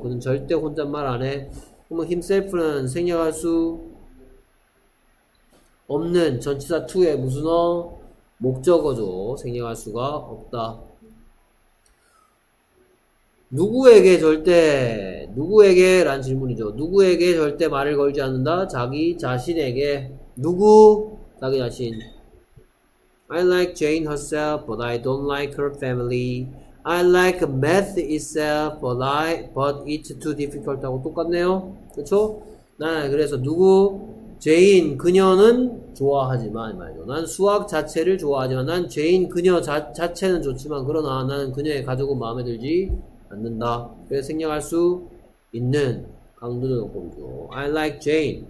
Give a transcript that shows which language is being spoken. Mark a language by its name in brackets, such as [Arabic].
[Korean] 그는 절대 혼잣말 안 해. 그러면 himself는 생략할 수 없는 전치사 2의 무슨 어? 목적어죠. 생략할 수가 없다. 누구에게 절대 누구에게 라는 질문이죠. 누구에게 절대 말을 걸지 않는다? 자기 자신에게. 누구? 자기 자신. [English] I like Jane herself but I don't like her family. I like math itself but it's too difficult [Korean] 하고 똑같네요. 그쵸? 난 그래서 누구? 제인 그녀는 좋아하지만 말이죠. 난 수학 자체를 좋아하지만 난 제인 그녀 자체는 좋지만 그러나 나는 그녀의 가족은 마음에 들지 않는다. 그래서 생략할 수 있는 강조적법이죠. [English] I like Jane.